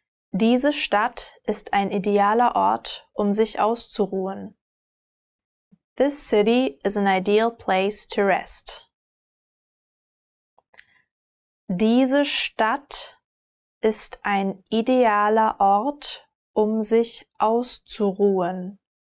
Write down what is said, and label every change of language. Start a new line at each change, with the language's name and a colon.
German: Diese Stadt ist ein idealer Ort, um sich auszuruhen.
English: This city is an ideal place to rest.
German: Diese Stadt ist ein idealer Ort, um sich auszuruhen.